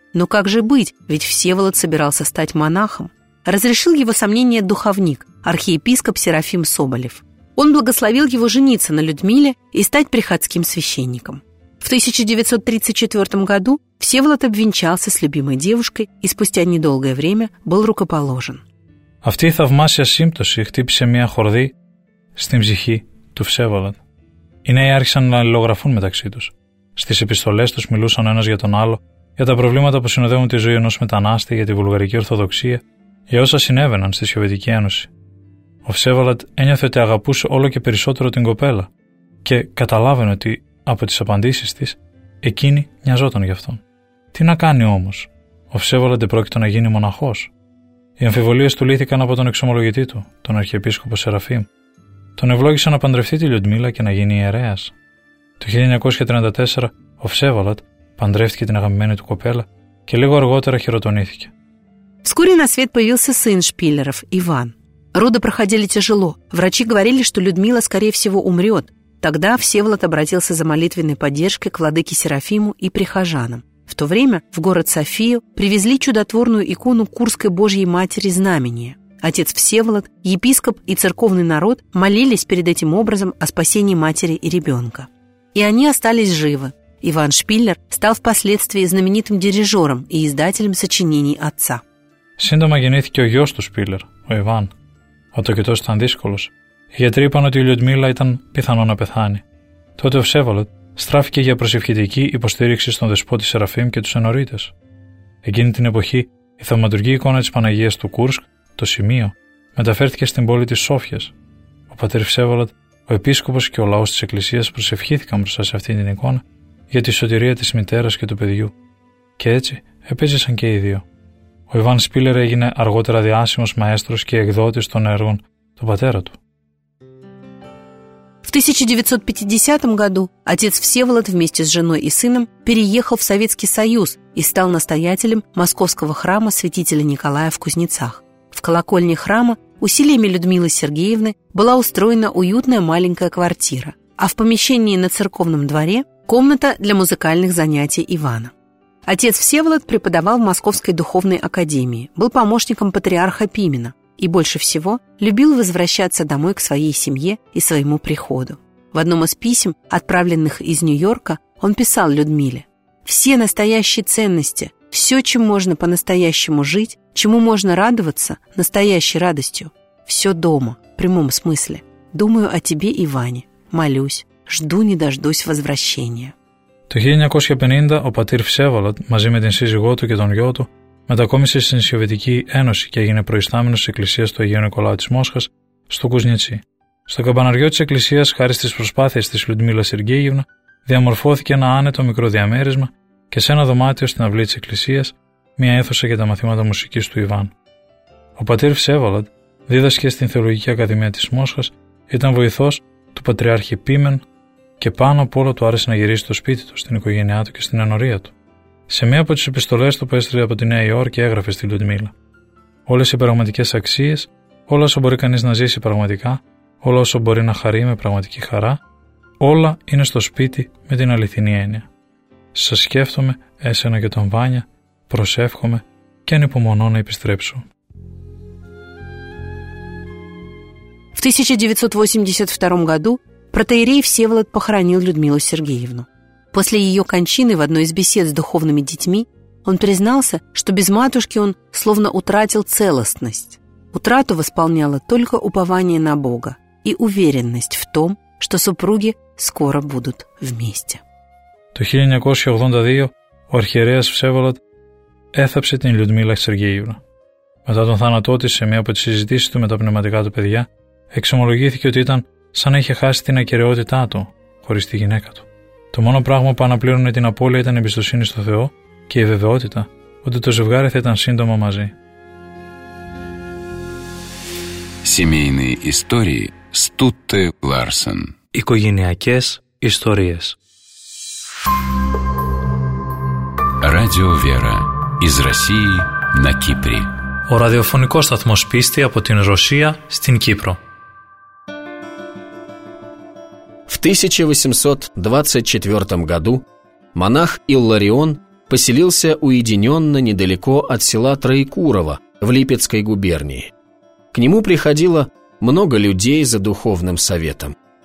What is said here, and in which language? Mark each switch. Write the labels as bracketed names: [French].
[Russian] Но как же быть, ведь Всеволод собирался стать монахом? Разрешил его сомнения духовник, архиепископ Серафим Соболев. Он благословил его жениться на Людмиле и стать приходским священником. В 1934 году Всеволод обвенчался с любимой девушкой и спустя недолгое время был рукоположен. [Greek] Αυτή η θαυμάσια σύμπτωση χτύπησε μια χορδή στην ψυχή του Всеволод. Οι νέοι άρχισαν να αλληλογραφούν μεταξύ τους. Στις επιστολές τους μιλούσαν ο ένας για τον άλλο, για τα προβλήματα που συνοδεύουν τη ζωή ενός μετανάστη, για τη βουλγαρική Ορθοδοξία, για όσα συνέβαιναν στη Σοβιετική Ένωση. Ο Всеволод ένιωθε ότι αγαπούσε όλο και περισσότερο την κοπέλα και καταλάβαινε ότι από τις απαντήσεις της, εκείνη νοιαζόταν γι' αυτόν. Τι να κάνει όμως, ο Ψέβολαντ πρόκειται να γίνει μοναχός? Οι αμφιβολίες του λύθηκαν από τον εξομολογητή του, τον αρχιεπίσκοπο Σεραφείμ. Τον ευλόγησε να παντρευτεί τη Λιουντμίλα και να γίνει ιερέας. Το 1934, ο Ψέβολαντ παντρεύτηκε την αγαπημένη του κοπέλα και λίγο αργότερα χειροτονήθηκε. [Russian] Вскоре на свет появился сын Шпилеров, Иван. Роды проходили тяжело. Врачи говорили, что Людмила, скорее всего, умрет. Тогда Всеволод обратился за молитвенной поддержкой к владыке Серафиму и прихожанам. В то время в город Софию привезли чудотворную икону Курской Божьей Матери Знамения. Отец Всеволод, епископ и церковный народ молились перед этим образом о спасении матери и ребенка. И они остались живы. Иван Шпиллер стал впоследствии знаменитым дирижером и издателем сочинений отца. Синдома генетики о Йосту Шпиллер, о Иван. О то, кто стан дисколос. [Greek] Οι γιατροί είπαν ότι η Λιουντμίλα ήταν πιθανό να πεθάνει. Τότε ο Ψέβολοντ στράφηκε για προσευχητική υποστήριξη στον δεσπότη Σεραφείμ και τους ενορίτες. Εκείνη την εποχή, η θαυματουργή εικόνα της Παναγίας του Κούρσκ, το Σημείο, μεταφέρθηκε στην πόλη της Σόφιας. Ο πατήρ Ψέβολοντ, ο επίσκοπος και ο λαός της Εκκλησίας προσευχήθηκαν μπροστά σε αυτήν την εικόνα για τη σωτηρία της μητέρας και του παιδιού. Και έτσι επέζησαν και οι δύο. Ο Ιβάν Σπίλερ έγινε αργότερα διάσημος μαέστρος και εκδότης των έργων του πατέρα του. [Russian] В 1950 году отец Всеволод вместе с женой и сыном переехал в Советский Союз и стал настоятелем московского храма святителя Николая в Кузнецах. В колокольне храма усилиями Людмилы Сергеевны была устроена уютная маленькая квартира, а в помещении на церковном дворе – комната для музыкальных занятий Ивана. Отец Всеволод преподавал в Московской духовной академии, был помощником патриарха Пимена. И больше всего любил возвращаться домой к своей семье и своему приходу. В одном из писем, отправленных из Нью-Йорка, он писал Людмиле: «Все настоящие ценности, все, чем можно по-настоящему жить, чему можно радоваться настоящей радостью, все дома, в прямом смысле. Думаю о тебе, Иване, молюсь, жду не дождусь возвращения». В 1950 году патер Всеволод вместе с женой и сыном [Greek] μετακόμισε στην Σοβιετική Ένωση και έγινε προϊστάμενος της Εκκλησίας του Αγίου Νικολάου της Μόσχας στο Κουζνιτσί. Στο καμπαναριό της Εκκλησίας, χάρη στις προσπάθειες της Λιουντμίλα Σεργέγευνα, διαμορφώθηκε ένα άνετο μικρό διαμέρισμα και σε ένα δωμάτιο στην αυλή της Εκκλησίας, μια αίθουσα για τα μαθήματα μουσικής του Ιβάν. Ο πατήρ Ψέβολαντ δίδασκε στην Θεολογική Ακαδημία της Μόσχας, ήταν βοηθός του Πατριάρχη Πίμεν και πάνω απ' όλα του άρεσε να γυρίσει στο σπίτι του, στην οικογένειά του και στην ενορία του. Σε μία από τις επιστολές του που έστειλε από τη Νέα Υόρκη έγραφε στη Λιουντμίλα: «Όλες οι πραγματικές αξίες, όλα όσα μπορεί κανείς να ζήσει πραγματικά, όλα όσο μπορεί να χαρεί με πραγματική χαρά, όλα είναι στο σπίτι με την αληθινή έννοια. Σας σκέφτομαι, εσένα και τον Βάνια, προσεύχομαι και ανυπομονώ να επιστρέψω. [Russian] В 1982 году протоиерей Всеволод похоронил Людмилу Сергеевну. После ее кончины в одной из бесед с духовными детьми он признался, что без матушки он словно утратил целостность. Утрату восполняло только упование на Бога и уверенность в том, что супруги скоро будут вместе. [Greek] Το 1982 ο αρχιερέας Всеволод έθαψε την Людмила Сергеевна. Μετά τον θάνατό της σε μία από τις συζητήσεις του με τα πνευματικά του παιδιά, εξομολογήθηκε ότι ήταν σαν να είχε χάσει την ακεραιότητά του χωρίς τη γυναίκα του. Το μόνο πράγμα που αναπλήρωνε την απώλεια ήταν η εμπιστοσύνη στο Θεό και η βεβαιότητα ότι το ζευγάρι θα ήταν σύντομα μαζί. [Russian] Семейные истории Стутте Ларсен. [Greek] Οικογενειακές ιστορίες. [Russian] Радио Вера. Из России на Кипре. [Greek] Ο ραδιοφωνικός σταθμός πίστη από την Ρωσία στην Κύπρο. [Russian] В 1824 году монах Илларион поселился уединенно недалеко от села Троекурово в Липецкой губернии. К нему приходило много людей за духовным советом.